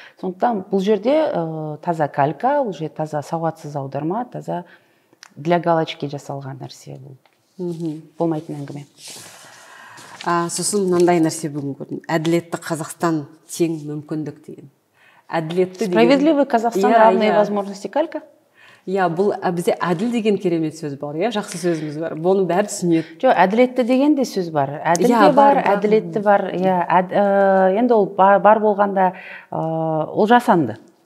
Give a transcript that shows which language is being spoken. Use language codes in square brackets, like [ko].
[kk] Сондықтан бұл жерде таза калька, бұл жерде таза сауатсыз аударма, таза для галочки жасалған нәрсе бұл. Болмайтын әңгіме. Сосын мынандай нәрсе бүгін көрдім. Әділетті Қазақстан тең мүмкіндік деген. Әділетті деген... [ru] Справедливый Казахстан равные возможности калька? [kk] Я бұл бізде әділ деген керемет сөз бар, я жақсы сөзіміз бар. Бұны бәрі түсінеді. Жоқ, әділетті деген де сөз бар. Әділ де бар, әділетті бар. Енді ол бар болғанда, ол жасанды.